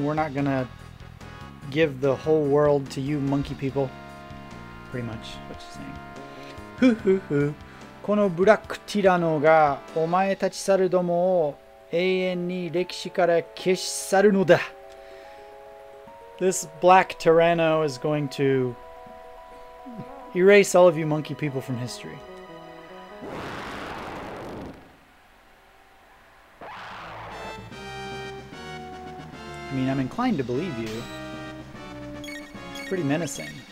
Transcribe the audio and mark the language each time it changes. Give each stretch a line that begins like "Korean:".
English: We're not gonna give the whole world to you monkey people. Pretty much what she's saying. Hoo hoo hoo.
Japanese: このブラックティラノがお前たち猿どもを永遠に歴史から消し去るのだ。
English: This black tyranno is going to erase all of you monkey people from history. I mean, I'm inclined to believe you. It's pretty menacing.